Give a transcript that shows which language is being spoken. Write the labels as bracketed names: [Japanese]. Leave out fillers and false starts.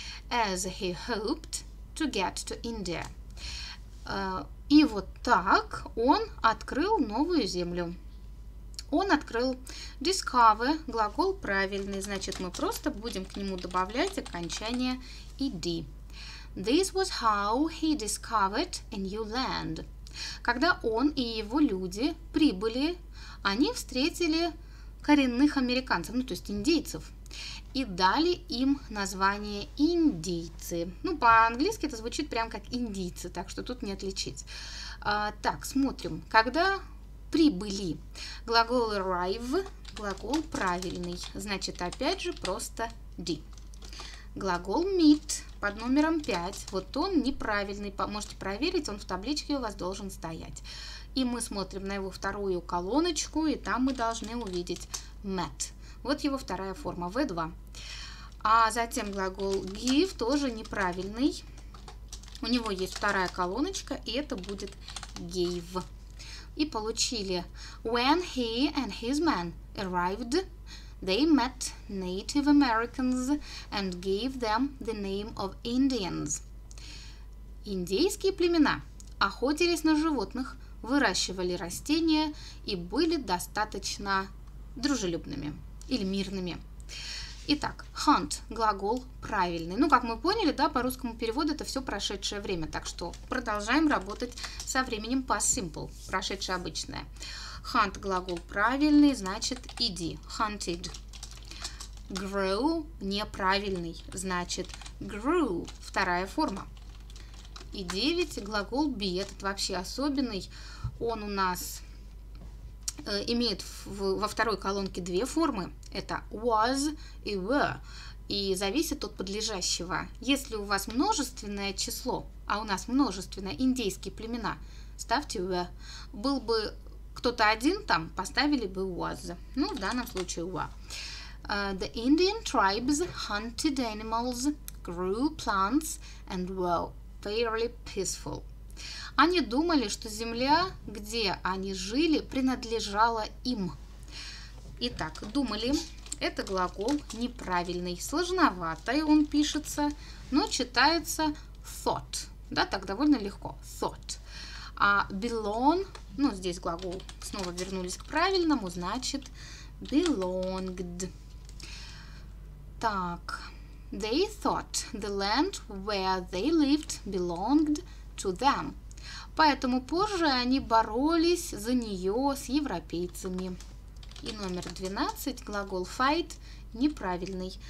[English] As he hoped to get to India. [Russian] И вот так он открыл новую землю. Он открыл discover, глагол правильный. Значит, мы просто будем к нему добавлять окончание -ed. [English] This was how he discovered a new land. [Russian] Когда он и его люди прибыли, они встретили коренных американцев, ну, то есть индейцев. И дали им название индейцы. Ну, по-английски это звучит прям как индийцы, так что тут не отличить. Так, смотрим. Когда прибыли, глагол arrive, глагол правильный. Значит, опять же, просто d. Глагол meet под номером 5. Вот он неправильный. Можете проверить, он в табличке у вас должен стоять. И мы смотрим на его вторую колоночку, и там мы должны увидеть met. Вот его вторая форма, V2. А затем глагол give тоже неправильный. У него есть вторая колоночка, и это будет gave. И получили. [English] When he and his men arrived, they met Native Americans and gave them the name of Indians. [Russian] Индейские племена охотились на животных, выращивали растения и были достаточно дружелюбными. Или мирными. Итак, hunt – глагол правильный. Ну, как мы поняли, да, по русскому переводу это все прошедшее время. Так что продолжаем работать со временем past simple, прошедшее обычное. Hunt – глагол правильный, значит, иди. Hunted. Grow – неправильный, значит, grew – вторая форма. И 9 – глагол be. Этот вообще особенный. Он у нас имеет во второй колонке две формы. Это was и were. И зависит от подлежащего. Если у вас множественное число, а у нас множественное, индейские племена, ставьте were. Был бы кто-то один там, поставили бы was. Ну, в данном случае were. [English] The Indian tribes hunted animals, grew plants and were fairly peaceful. [Russian] Они думали, что земля, где они жили, принадлежала им. Итак, думали. Это глагол неправильный. Сложноватый он пишется, но читается thought. Да, так довольно легко. Thought. А belong, ну, здесь глагол снова вернулись к правильному, значит belonged. Так. [English] They thought the land where they lived belonged to them. [Russian] Поэтому позже они боролись за нее с европейцами. И номер 12, глагол fight, неправильный.